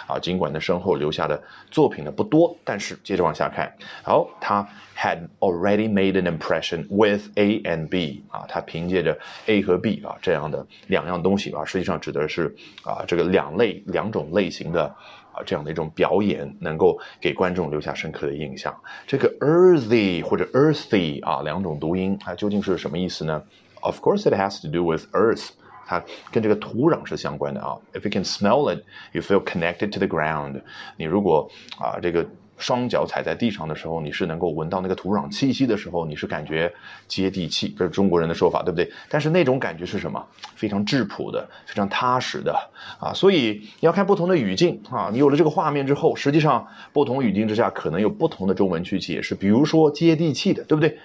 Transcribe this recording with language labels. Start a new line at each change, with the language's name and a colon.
Chinese: 尽管他身后留下的作品呢不多但是接着往下看好他
English: had already made an impression with A and B,
Chinese: 他凭借着 A 和 B, 这样的两样东西实际上指的是这个两种类型的这样的一种表演能够给观众留下深刻的印象。
English: 这个 earthy 或者 earthy,
Chinese: 两种读音究竟是什么意思呢
English: ?Of course it has to do with earth,
Chinese: 它跟这个土壤是相关的。
English: If you can smell it, you feel connected to the ground,
Chinese: 你如果这个双脚踩在地上的时候，你是能够闻到那个土壤气息的时候，你是感觉接地气，这是中国人的说法，对不对？但是那种感觉是什么？非常质朴的，非常踏实的啊。所以要看不同的语境啊，你有了这个画面之后，实际上不同语境之下可能有不同的中文去解释，比如说接地气的，对不对？